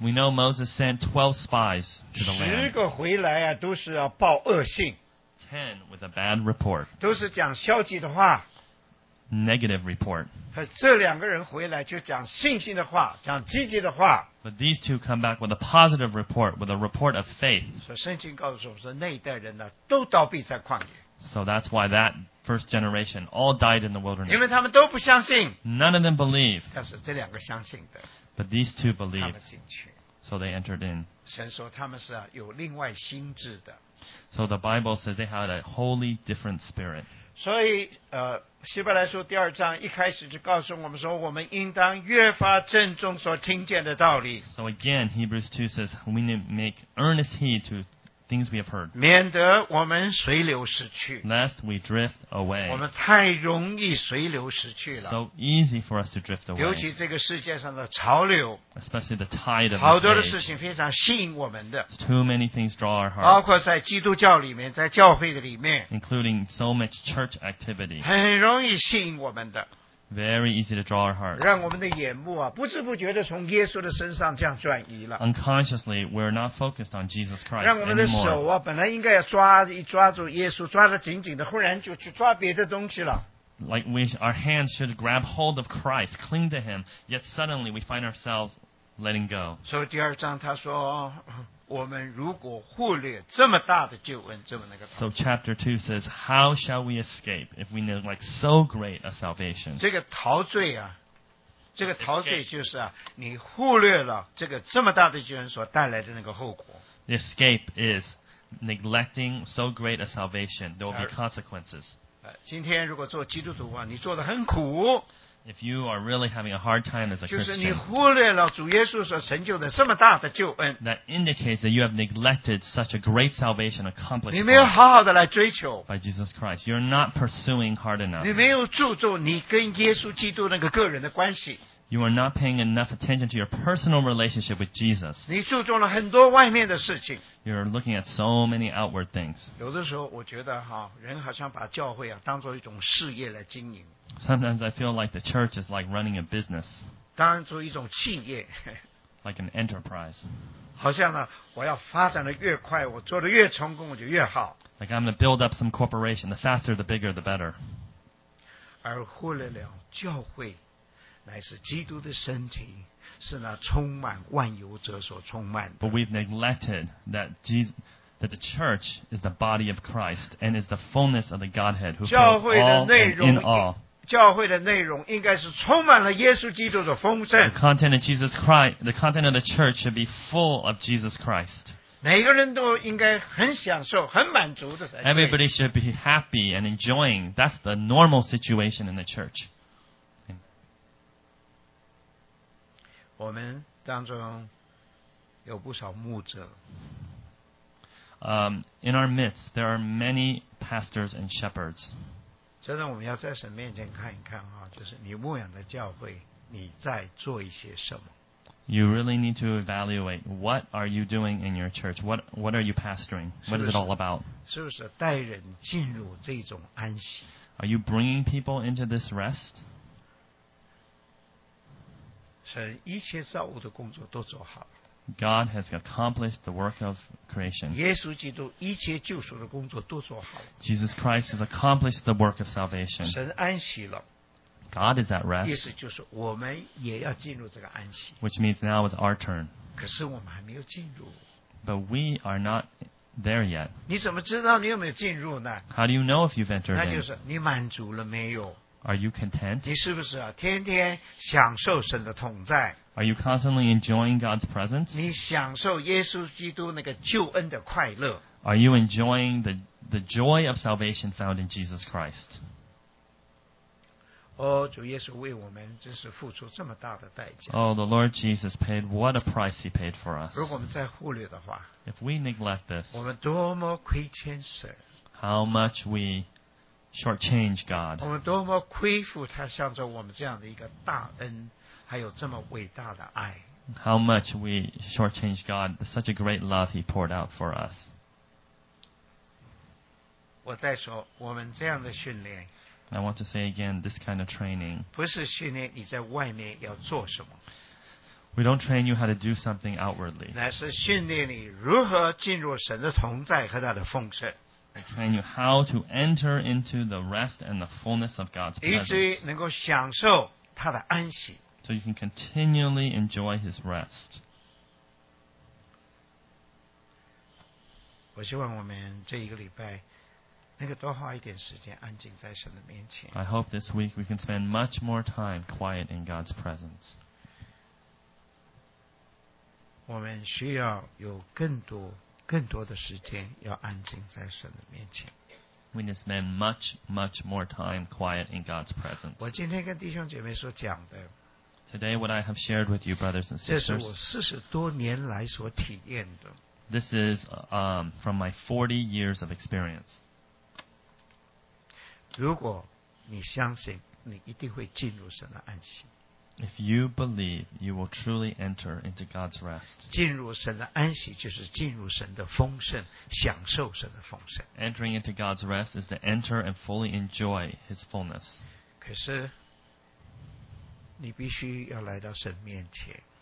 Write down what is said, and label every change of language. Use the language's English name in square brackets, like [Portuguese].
[English] We know Moses sent 12 spies to the land. [Chinese] 十个回来啊，都是要报恶信。 [English] 10 with a bad report. [Chinese] 都是讲消极的话。 [English] Negative report. [Chinese] 这两个人回来就讲信心的话，讲积极的话。 [English] But these two come back with a positive report, with a report of faith. [Chinese] 所以圣经告诉我们说，那一代人呢，都倒闭在旷野。 [English] So that's why that first generation all died in the wilderness. [Chinese] 因为他们都不相信。 [English] None of them believe. [Chinese] 但是这两个相信的。 [English] But these two believe. [Chinese] 他们进去。 [English] So they entered in. [Chinese] 神说他们是有另外心智的。 [English] So the Bible says they had a wholly different spirit. [Chinese] 所以希伯来书第二章一开始就告诉我们说我们应当越发郑重所听见的道理。 [English] So again, Hebrews 2 says we need to make earnest heed to things we have heard. [Chinese] 免得我们随流失去。 [English] Lest we drift away. [Chinese] 我们太容易随流失去了。 [English] So easy for us to drift away. [Chinese] 尤其这个世界上的潮流。 [English] Especially the tide of [Chinese] 好多的事情非常吸引我们的。 [English] Too many things draw our hearts. [Chinese] 包括在基督教里面，在教会的里面。 [English] Including so much church activity. [Chinese] 很容易吸引我们的。 [English] Very easy to draw our hearts. [Chinese] 让我们的眼目啊，不知不觉的从耶稣的身上这样转移了。 [English] Unconsciously, we're not focused on Jesus Christ anymore. [Chinese] 让我们的手啊，本来应该要抓住耶稣，抓得紧紧的，忽然就去抓别的东西了。 [English] Like we, our hands should grab hold of Christ, cling to Him. Yet suddenly, we find ourselves letting go. [Chinese] 所以第二章他说，我们如果忽略这么大的救恩，这么那个。 [English] So chapter 2 says, how shall we escape if we know like so great a salvation? [Chinese] 这个陶醉啊，这个陶醉就是啊，你忽略了这个这么大的救恩所带来的那个后果。 [English] The escape is neglecting so great a salvation. There will be consequences. [Chinese] 今天如果做基督徒啊，你做得很苦。 [English] If you are really having a hard time as a Christian, [Chinese] 就是你忽略了主耶稣所成就的这么大的救恩。 [English] That indicates that you have neglected such a great salvation accomplished. [Chinese] 你没有好好的来追求。 [English] By Jesus Christ, you're not pursuing hard enough. [Chinese] 你没有注重你跟耶稣基督那个个人的关系。 [English] You are not paying enough attention to your personal relationship with Jesus. [Chinese] 你注重了很多外面的事情。 [English] You're looking at so many outward things. [Chinese] 有的时候我觉得哈，人好像把教会啊当做一种事业来经营。 [English] Sometimes I feel like the church is like running a business. [Chinese] 当做一种企业。 [English] Like an enterprise. [Chinese] 好像呢，我要发展的越快，我做的越成功，我就越好。 [English] Like I'm going to build up some corporation. The faster, the bigger, the better. [Chinese] 而忽略了教会。乃是基督的身体，是那充满万有者所充满的。 [English] But we've neglected that that the church is the body of Christ and is the fullness of the Godhead who fills all in all. [Chinese] 教会的内容应该是充满了耶稣基督的丰盛。 [English] The content of Jesus Christ, the content of the church should be full of Jesus Christ. [Chinese] 每个人都应该很享受、很满足的才对。 [English] Everybody should be happy and enjoying. That's the normal situation in the church. [Chinese] 我们当中有不少牧者。 [English] In our midst, there are many pastors and shepherds. [Chinese] 真的我们要在神面前看一看啊，就是你牧养的教会，你在做一些什么。 [English] You really need to evaluate what are you doing in your church? What are you pastoring? What is it all about? [Chinese] 是不是带人进入这种安息？ [English] Are you bringing people into this rest? [Chinese] 神一切造物的工作都做好了。 [English] God has accomplished the work of creation. [Chinese] 耶稣基督一切救赎的工作都做好了。 [English] Jesus Christ has accomplished the work of salvation. [Chinese] 神安息了。 [English] God is at rest. [Chinese] 意思就是我们也要进入这个安息。 [English] Which means now it's our turn. [Chinese] 可是我们还没有进入。 [English] But we are not there yet. [Chinese] 你怎么知道你有没有进入呢？ [English] How do you know if you've entered in? [Chinese] 那就是你满足了没有？ [English] Are you content? [Chinese] 你是不是啊，天天享受神的同在？ [English] Are you constantly enjoying God's presence? [Chinese] 你享受耶稣基督那个救恩的快乐？ [English] Are you enjoying the joy of salvation found in Jesus Christ? [Chinese] 主耶稣为我们真是付出这么大的代价。 [English] Oh, the Lord Jesus paid what a price he paid for us. [Chinese] 如果我们再忽略的话， [English] If we neglect this, [Chinese] 我们多么亏欠神。 [English] How much we shortchange God. [Chinese] 我们多么亏负他向着我们这样的一个大恩，还有这么伟大的爱。 [English] How much we shortchange God, such a great love he poured out for us. [Chinese] 我再说，我们这样的训练， [English] I want to say again, this kind of training. [Chinese] 不是训练你在外面要做什么。 [English] We don't train you how to do something outwardly. [Chinese] 乃是训练你如何进入神的同在和他的丰盛。 [English] We train you how to enter into the rest and the fullness of God's presence. [Chinese] 以至于能够享受他的安息。 [English] So you can continually enjoy his rest. [Chinese] 我希望我们这一个礼拜能够多花一点时间安静在神的面前。 [English] I hope this week we can spend much more time quiet in God's presence. [Chinese] 我们需要有更多的时间要安静在神的面前。 [English] We need to spend much, much more time quiet in God's presence. [Chinese] 我今天跟弟兄姐妹所讲的。 [English] Today what I have shared with you, brothers and sisters. [Chinese] 这是我四十多年来所体验的。 [English] This is from my 40 years of experience. [Chinese] 如果你相信，你一定会进入神的安息。 [English] If you believe, you will truly enter into God's rest. [Chinese] 进入神的安息就是进入神的丰盛，享受神的丰盛。 [English] Entering into God's rest is to enter and fully enjoy His fullness. [Chinese] 可是，你必须要来到神面前。